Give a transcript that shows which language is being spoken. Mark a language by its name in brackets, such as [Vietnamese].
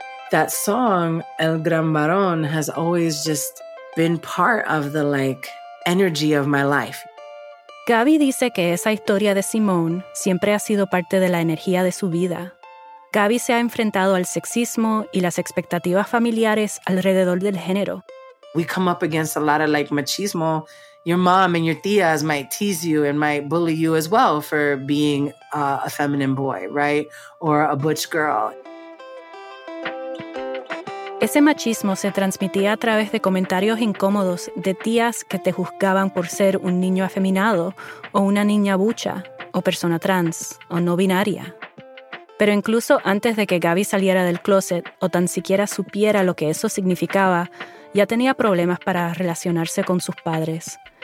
[English] That song, El Gran Varón, has always just been part of the, like, energy of my life. [Spanish] Gaby dice que esa historia de Simón siempre ha sido parte de la energía de su vida. Gaby se ha enfrentado al sexismo y las expectativas familiares alrededor del género. [English] We come up against a lot of, like, machismo. Your mom and your tías might tease you and might bully you as well for being a feminine boy, right? Or a butch girl. [Spanish] Ese machismo se transmitía a través de comentarios incómodos de tías que te juzgaban por ser un niño afeminado o una niña bucha o persona trans o no binaria. Pero incluso antes de que Gaby saliera del closet o tan siquiera supiera lo que eso significaba, ya tenía problemas para relacionarse con sus padres.